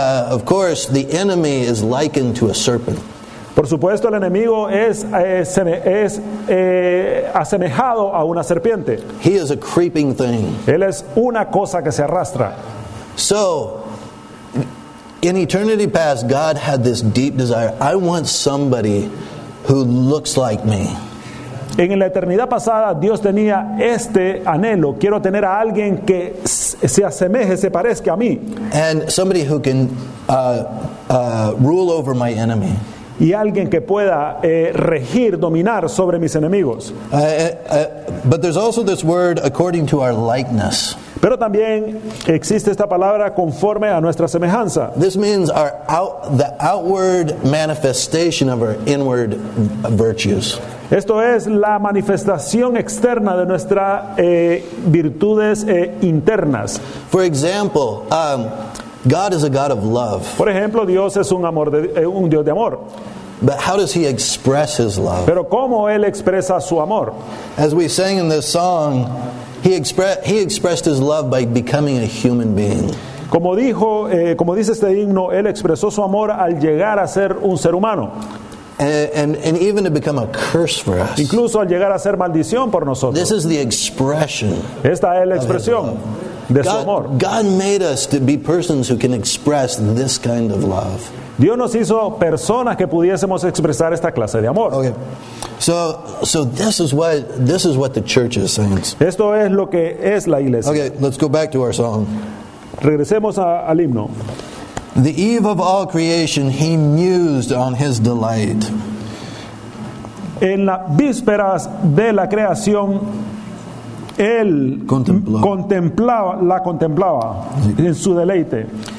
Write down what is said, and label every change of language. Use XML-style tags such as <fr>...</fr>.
<en>Of course, the enemy is likened to a serpent.</en> <es>Por supuesto, el enemigo es asemejado a una serpiente.</es> <en>He is a creeping thing.</en> <es>Él es una cosa que se arrastra.</es> <en>So, in eternity past, God had this deep desire. I want somebody who looks like me.</en> <es>En la eternidad pasada, Dios tenía este anhelo. Quiero tener a alguien que se asemeje, se parezca a mí.</es> <en>And somebody who can rule over my enemy.</en> <es>Y alguien que pueda regir, dominar sobre mis enemigos.</es> <en>But there's also this word, according to our likeness.</en> <es>Pero también existe esta palabra conforme a nuestra semejanza.</es> <en>This means the outward manifestation of our inward virtues.</en> <es>Esto es la manifestación externa de nuestras virtudes internas.</es> <en>For example, God is a God of love.</en> <es>Por ejemplo, Dios es un Dios de amor.</es> <en>But how does he express his love?</en> <es>Pero ¿cómo él expresa su amor?</es> <en>As we sang in this song, he expressed his love by becoming a human being.</en> <es>Como dijo, como dice este himno, él expresó su amor al llegar a ser un ser humano.</es> <en>And even to become a curse for us.</en> <es>Incluso al llegar a ser maldición por nosotros.</es> <en>This is the expression.</en> <es>Esta es la expresión de su amor.</es> <en>God made us to be persons who can express this kind of love.</en> <es>Dios nos hizo personas que pudiésemos expresar esta clase de amor.</es> <en>Okay. So this is what the church is saying.</en> <es>Esto es lo que es la iglesia.</es> <en>Okay, let's go back to our song.</en> <es>Regresemos al himno.</es> <en>The eve of all creation, he mused on his delight.</en> <es>En las vísperas de la creación, él contemplaba en su deleite.</es>